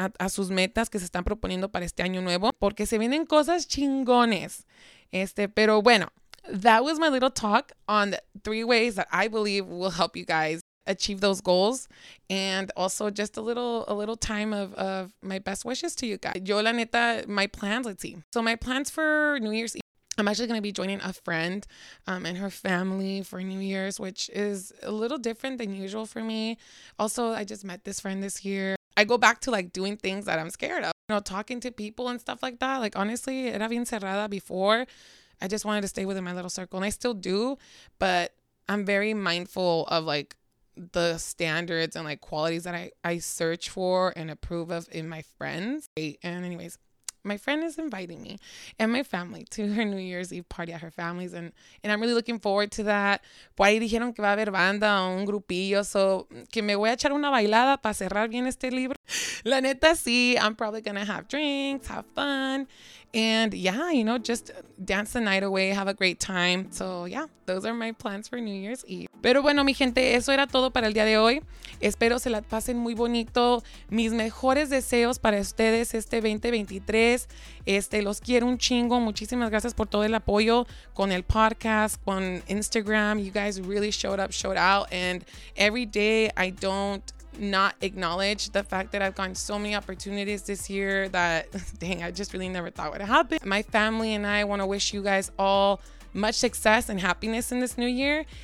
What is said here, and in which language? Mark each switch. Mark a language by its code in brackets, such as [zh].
[es] A sus metas que se están proponiendo para este año nuevo. Porque se vienen cosas chingones. Pero bueno. [en] That was my little talk on the three ways that I believe will help you guys achieve those goals. And also just a little time of my best wishes to you guys. [es] Yo la neta, [en] my plans, let's see. So my plans for New Year's Eve. I'm actually going to be joining a friend and her family for New Year's, which is a little different than usual for me. Also, I just met this friend this year. I go back to, like, doing things that I'm scared of, you know, talking to people and stuff like that. Like, honestly, [es] era bien cerrada [en] before. I just wanted to stay within my little circle, and I still do, but I'm very mindful of, like, the standards and, like, qualities that I search for and approve of in my friends. And anyways, my friend is inviting me and my family to her New Year's Eve party at her family's, and I'm really looking forward to that. [es] Por ahí dijeron que va a haber banda o un grupillo, so que me voy a echar una bailada para cerrar bien este libro. La neta, sí, [en] I'm probably going to have drinks, have fun, and yeah, you know, just dance the night away, have a great time. So yeah, those are my plans for New Year's Eve. [es] Pero bueno, mi gente, eso era todo para el día de hoy. Espero se la pasen muy bonito. Mis mejores deseos para ustedes este 2023. Los quiero un chingo. Muchísimas gracias por todo el apoyo con el podcast, con Instagram. [en] You guys really showed out, and every day I don't not acknowledge the fact that I've gotten so many opportunities this year that, dang, I just really never thought would happen. My family and I want to wish you guys all much success and happiness in this new year.